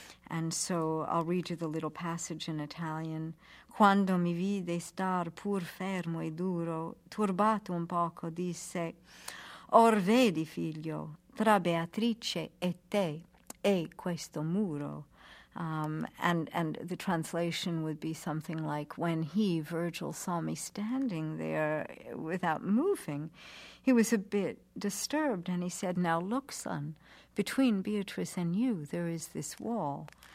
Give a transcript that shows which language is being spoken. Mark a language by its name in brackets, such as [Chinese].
[English] And so I'll read you the little passage in Italian. [Italian] Quando mi vide star pur fermo e duro, turbato un poco, disse, Or vedi, figlio, tra Beatrice e te, e questo muro. [English] And the translation would be something like, when he, Virgil, saw me standing there without moving, he was a bit disturbed, and he said, Now look, son, between Beatrice and you there is this wall.